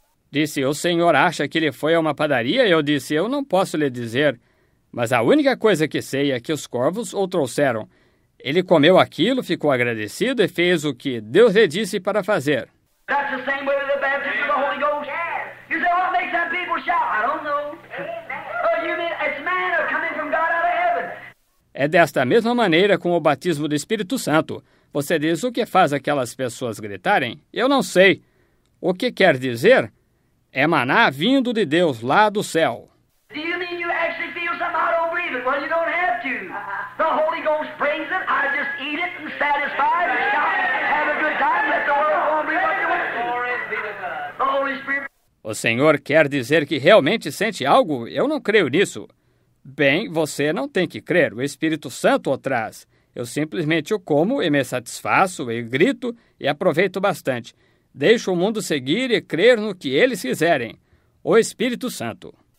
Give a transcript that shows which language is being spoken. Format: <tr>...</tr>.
<pt>Disse, o senhor acha que ele foi a uma padaria? Eu disse, eu não posso lhe dizer. Mas a única coisa que sei é que os corvos o trouxeram. Ele comeu aquilo, ficou agradecido e fez o que Deus lhe disse para fazer.</pt> <en>That's the same way with the baptism of the Holy Ghost. Yes. You say, what makes that people shout? I don't know. Amen. Oh, you mean it's manna coming from God out of heaven.</en> <pt>É desta mesma maneira com o batismo do Espírito Santo. Você diz, o que faz aquelas pessoas gritarem? Eu não sei. O que quer dizer? É maná vindo de Deus lá do céu.</pt> <en>Do you mean you actually feel something? I don't believe it. Well, you don't have to. The Holy Ghost brings it. I just eat it and satisfy and shout. Have a good time. Let the world go and be what you want to. The Holy Spirit.</en> <pt>O senhor quer dizer que realmente sente algo? Eu não creio nisso. Bem, você não tem que crer. O Espírito Santo o traz. Eu simplesmente o como e me satisfaço e grito e aproveito bastante. Deixo o mundo seguir e crer no que eles quiserem. O Espírito Santo.</pt>